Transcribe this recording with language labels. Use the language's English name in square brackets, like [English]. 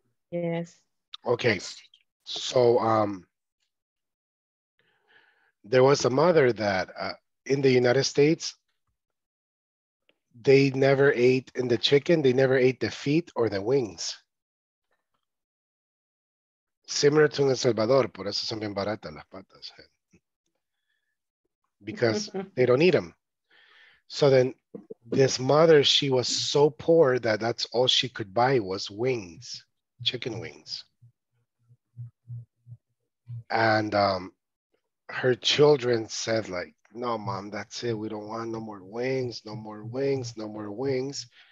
[English] Yes. Okay. So there was a mother that in the United States, they never ate in the chicken, they never ate the feet or the wings. Similar to in El Salvador, [Spanish] por eso son bien baratas las patas. [English] Because they don't eat them. So then this mother, she was so poor that's all she could buy was wings, chicken wings. And her children said like, "No, mom, that's it. We don't want no more wings, no more wings, no more wings."